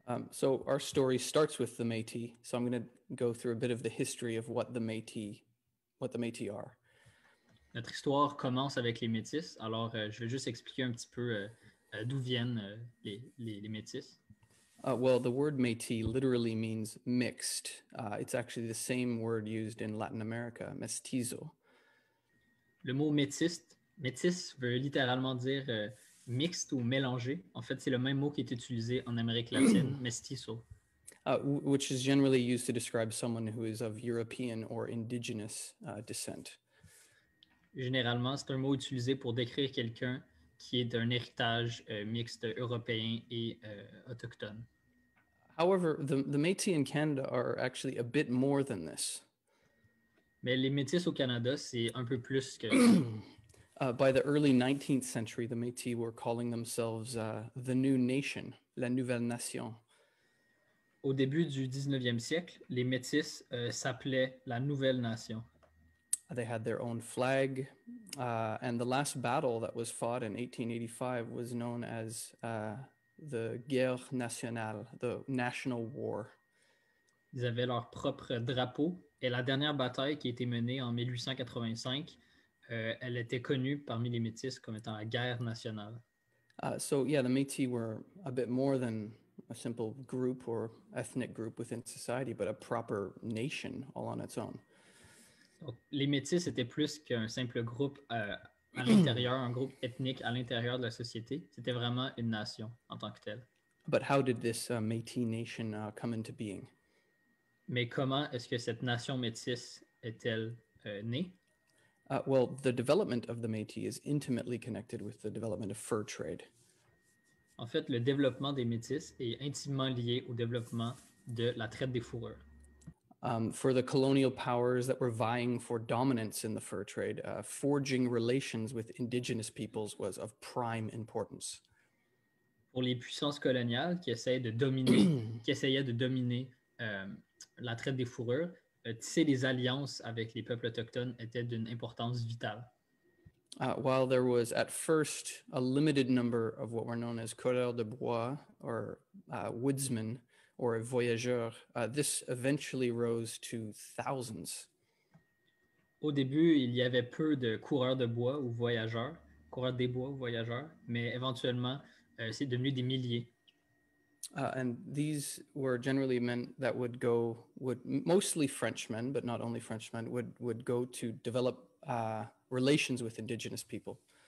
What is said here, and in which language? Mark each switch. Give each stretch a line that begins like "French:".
English: So our story starts with the Métis. So I'm going to go through a bit of the history of what the Métis are.
French: Notre histoire commence avec les Métis. Alors, je vais juste expliquer un petit peu d'où viennent les Métis.
English: Well, the word Métis literally means mixed. It's actually the same word used in Latin America, mestizo.
French: Le mot métis veut littéralement dire mixte ou mélangé. En fait, c'est le même mot qui est utilisé en Amérique latine, mestizo.
English: Which is generally used to describe someone who is of European or indigenous descent.
French: Généralement, c'est un mot utilisé pour décrire quelqu'un qui est d'un héritage mixte européen et autochtone.
English: However, the Métis in Canada are actually a bit more than this.
French: Mais les Métis au Canada, c'est un peu plus que...
English: By the early 19th century, the Métis were calling themselves the new nation,
French: la nouvelle nation. Au début du 19e siècle, les Métis s'appelaient la nouvelle nation.
English: They had their own flag, and the last battle that was fought in 1885 was known as... the
French: guerre nationale,
English: the national war.
French: Ils avaient leur propre drapeau et la dernière bataille qui a été menée en 1885, elle était connue parmi les Métis comme étant la guerre nationale.
English: The Métis were a bit more than a simple group or ethnic group within society, but a proper nation all on its own.
French: Donc, les Métis étaient plus qu'un simple groupe à l'intérieur, un groupe ethnique à l'intérieur de la société. C'était vraiment une nation en tant que telle.
English: But how did this Métis nation come into being?
French: Mais comment est-ce que cette nation métisse est-elle née?
English: Well, the development of the Métis is intimately connected with the development of fur trade.
French: En fait, le développement des Métis est intimement lié au développement de la traite des fourrures.
English: For the colonial powers that were vying for dominance in the fur trade, forging relations with indigenous peoples was of prime importance.
French: Pour les puissances coloniales qui essayaient de dominer la traite des fourrures, tisser des alliances avec les peuples autochtones était d'une importance vitale.
English: While there was at first a limited number of what were known as coureurs de bois or woodsmen, or a voyageur, this eventually rose to thousands.
French: Au début, il y avait peu de coureurs de bois ou voyageurs, coureurs des bois ou voyageurs, mais éventuellement, c'est devenu des milliers.
English: And these were generally men that would mostly Frenchmen, but not only Frenchmen, would go to develop relations with indigenous people.